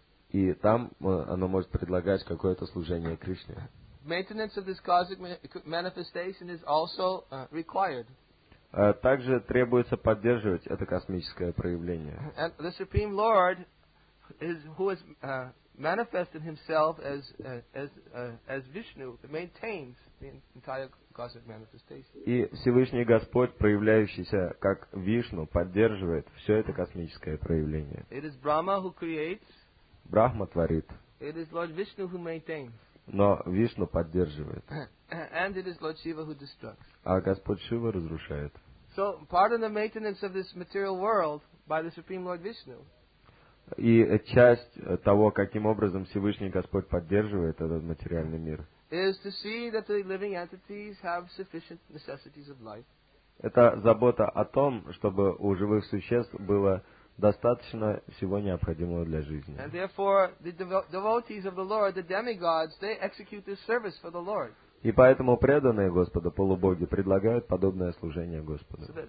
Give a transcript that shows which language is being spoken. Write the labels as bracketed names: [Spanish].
[Russian] И там оно может предлагать какое-то служение Кришне. [English] maintenance of this cosmic manifestation is also required. [Russian] Также требуется поддерживать это космическое проявление. [English] And the Supreme Lord, who has manifested himself as Vishnu, maintains the entire cosmic manifestation. [Russian] И Всевышний Господь, проявляющийся как Вишну, поддерживает все это космическое проявление. [English] It is Brahma who creates. [Russian] Брахма творит. [English] It is Lord Vishnu who maintains. [Russian] Но Вишну поддерживает. [English] And it is Lord Shiva who destructs. [Russian] А Господь Шива разрушает. [English] So part of the maintenance of this material world by the Supreme Lord Vishnu. [Russian] И часть того, каким образом Всевышний Господь поддерживает этот материальный мир. [English] Is to see that the living entities have sufficient necessities of life. [Russian] Это забота о том, чтобы у живых существ было достаточно всего необходимого для жизни. [English] And therefore, the devotees of the Lord, the demigods, they execute this service for the Lord. [Russian] И поэтому преданные Господу, полубоги, предлагают подобное служение Господу.